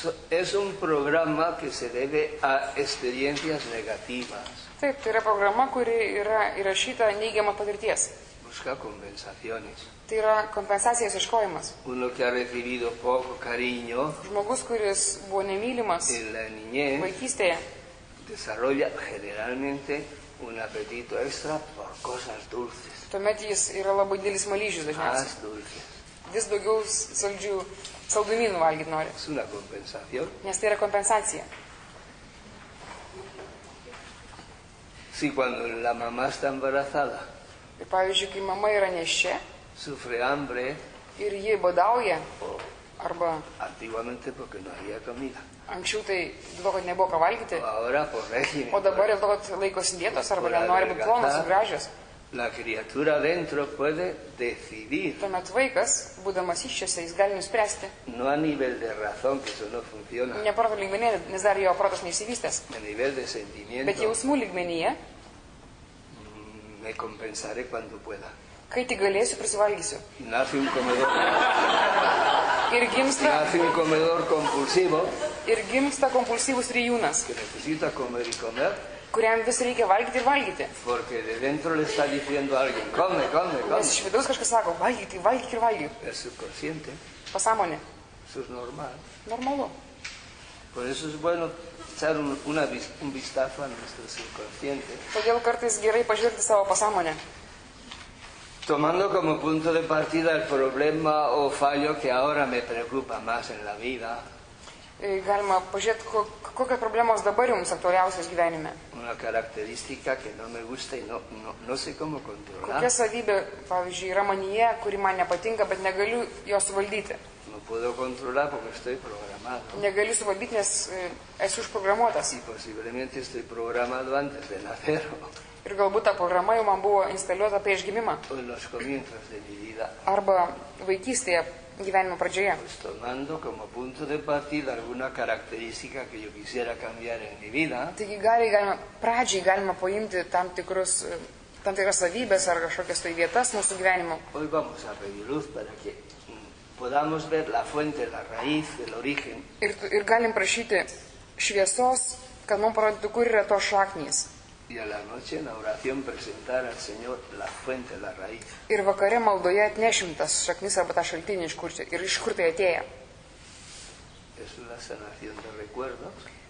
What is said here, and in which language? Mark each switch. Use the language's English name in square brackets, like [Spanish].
[Spanish] Es un programa que se debe a experiencias negativas. [Lithuanian] Taip, tai yra programa, kuri yra įrašyta neigiamos patirties. [Spanish] Busca compensaciones. [Lithuanian] Tai yra kompensacijos ieškojimas. [Spanish] Uno que ha recibido poco cariño. [Lithuanian] Žmogus, kuris buvo nemylimas. [Spanish] En la niñez. [Lithuanian] Vaikystėje. [Spanish] Desarrolla generalmente un apetito extra por cosas dulces. [Lithuanian] Tuomet jis yra labai didelis smaližius dažniausiai. Vis daugiau saldžių. Saldumynų valgyt nori. Nes tai yra kompensacija. [Spanish] Si, cuando la mamá está embarazada. [Lithuanian] Ir pavyzdžiui, kai mama yra nėščia. [Spanish] Sufre hambre. [Lithuanian] Ir jie badauja. Arba. [Spanish] Antiguamente porque no había comida. [Lithuanian] Anksčiau tai dėl kad nebuvo ką valgyti. [Spanish] Ahora por régimen. [Lithuanian] O dabar dėl kad laikosi dietos arba nenori būti plonas ir gražios. [Spanish] La criatura dentro puede decidir. [Lithuanian] Tuomet vaikas, būdamas iščiose, jis gali nuspręsti. [Spanish] No a nivel de razón, que eso no funciona. [Lithuanian] Ne proto lygmenyje, nes dar jo protas neįsivystęs. [Spanish] A nivel de sentimiento. [Lithuanian] Bet jausmų lygmenyje. [Spanish] Me compensaré cuando pueda. [Lithuanian] Kai tik galėsiu, prisivalgysiu. [Spanish] Nace un comedor. [Lithuanian] Ir gimsta. [Spanish] Nace un comedor compulsivo. [Lithuanian] Ir gimsta compulsivus rijūnas. [Spanish] Que necesita comer y comer. [Lithuanian] Kuriam vis reikia valgyti ir valgyti. [Spanish] Porque de dentro le está diciendo alguien, come, come, come. [Lithuanian] Nes iš vidaus kažkas sako, valgyti, valgyti ir valgyti. [Spanish] Es subconsciente. [Lithuanian] Pasąmonė. [Spanish] Eso es normal. [Lithuanian] Normalu. [Spanish] Por eso es bueno echar un vistazo a nuestro subconsciente. [Lithuanian] Todėl kartais gerai pažiūrėti savo pasąmonę. [Spanish] Tomando como punto de partida el problema o fallo que ahora me preocupa más en la vida. [Lithuanian] Galima pažiūrėti, kokios problemos dabar jums aktualiausios gyvenime. [Spanish] Una característica que no me gusta y no sé cómo controlar. [Lithuanian] Kokia savybė, pavyzdžiui, yra manyje, kuri man nepatinka, bet negaliu jos suvaldyti. [Spanish] No puedo controlar porque estoy programado. [Lithuanian] Negaliu suvaldyti, nes esu užprogramuotas. [Spanish] Y posiblemente estoy programado antes de nacer. [Lithuanian] Ir galbūt ta programa jau man buvo instaliuota prieš gimimą. [Spanish] O en los comienzos de mi vida. [Lithuanian] Arba vaikystėje. Gyvenimo pradžioje. [Spanish] Pues tomando como punto de partida alguna característica que yo quisiera cambiar en mi vida. [Lithuanian] Taigi pradžiai galima paimti tam tikras savybės ar kažkokias tai vietas mūsų gyvenimo. [Spanish] Hoy vamos a pedir luz para que podamos ver la fuente, la raíz, el origen. [Lithuanian] Ir galim prašyti šviesos, kad mums parodytų, kur yra to šaknys. [Spanish] Y a la noche en la oración presentar al Señor la fuente, la raíz. [Lithuanian] Ir vakare maldoje atnešim tas šaknis arba tą šaltinį, iš kur tai atėjo. [Spanish] Es una sanación de recuerdos.